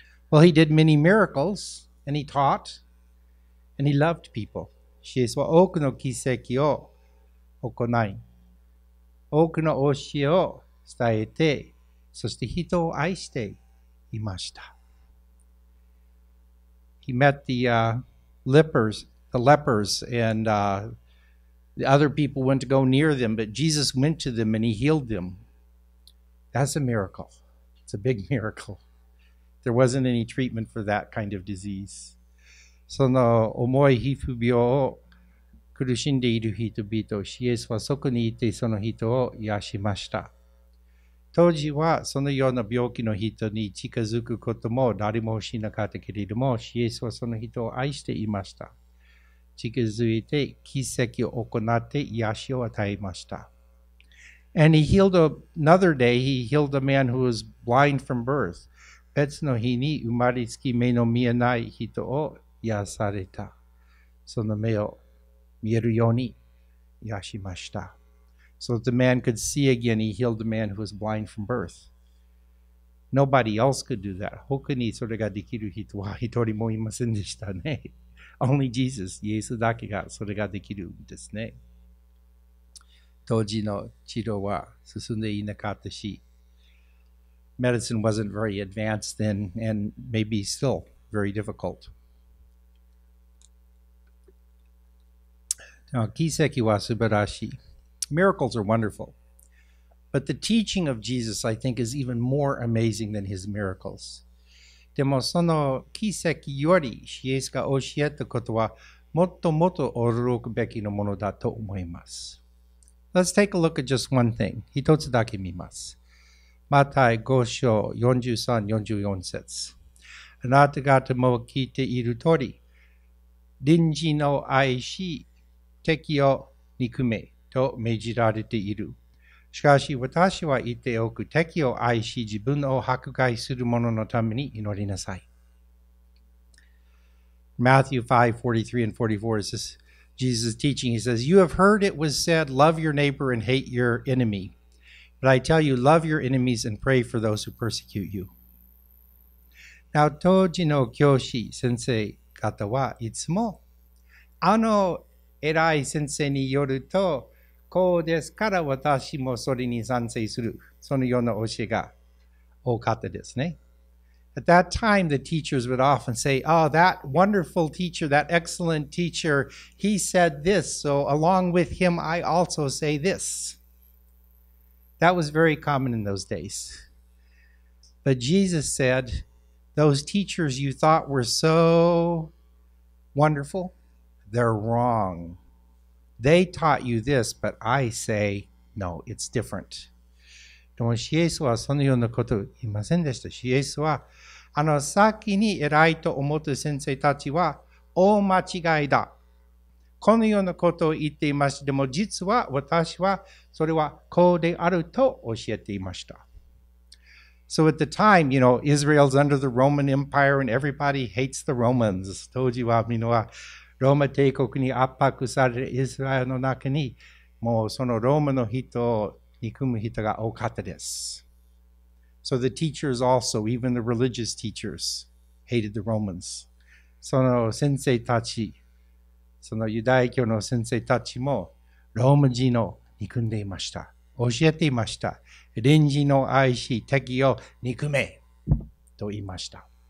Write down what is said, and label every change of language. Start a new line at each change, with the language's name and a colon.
English: Well, he did many miracles, and he taught, and he loved people.
Japanese: イエスは多くの奇跡を行い、多くの教えを伝えて、そして人を愛していました。
English: He met the lepers, andThe other people went to go near them, but Jesus went to them and he healed them. That's a miracle. It's a big miracle. There wasn't any treatment for that kind of disease.
Japanese: その重い皮膚病を苦しんでいる人々、イエスはそこにいてその人を癒しました。当時はそのような病気の人に近づくことも誰もしなかったけれども、イエスはその人を愛していました。近づいて奇跡を行って癒しを与えました。
English: And he healed another day, he healed a man who was blind from birth.
Japanese: 別の日に生まれつき目の見えない人を癒された。その目を見えるように癒しました。
English: So the man could see again, he healed a man who was blind from birth. Nobody else could do that.
Japanese: 他にそれができる人は一人もいませんでしたね。
English: Only Jesus,
Japanese: イエスだけがそれができるんですね。当時の治療は進んでいなかったし、
English: Medicine wasn't very advanced then, and maybe still very difficult.
Japanese: 奇跡は素晴らしい。
English: Miracles are wonderful. But the teaching of Jesus, I think, is even more amazing than his miracles.
Japanese: でもその奇跡よりイエスが教えたことはもっともっと驚くべきのものだと思います。
English: Let's take a look at just one thing.
Japanese: 一つだけ見ます。マタイ5章43、44節。あなた方も聞いている通り、隣人を愛し、敵を憎めと命じられている。しかし私は言っておく、敵を愛し自分を迫害する者のために祈りなさい。
English: Matthew 5:43-44 is Jesus teaching. He says, You have heard it was said, love your neighbor and hate your enemy. But I tell you, love your enemies and pray for those who persecute you.
Japanese: Now, 当時の教師先生方はいつも、あの偉い先生によるとこうですから私もそれに賛成する、そのような教えが多かったですね。
English: At that time the teachers would often say, oh, that wonderful teacher, that excellent teacher, he said this, so along with him I also say this. That was very common in those days. But Jesus said, those teachers you thought were so wonderful, they're wrong. They taught you this, but I say, no, it's different.
Japanese: でもイエスはそのようなこと言いませんでした。イエスは、あの先に偉いと思った先生たちは大間違いだ。このようなことを言っていました。でも実は私はそれはこうであると教えていました。
English: So at the time, you know, Israel's under the Roman Empire and everybody hates the Romans.
Japanese: 当時はみんなはローマ帝国に圧迫されるイスラエルの中にもうそのローマの人を憎む人が多かったです。
English: So the teachers also, even the religious teachers, hated the Romans.
Japanese: その先生たち、そのユダヤ教の先生たちもローマ人を憎んでいました。教えていました。隣人の愛し敵を憎めと言いました。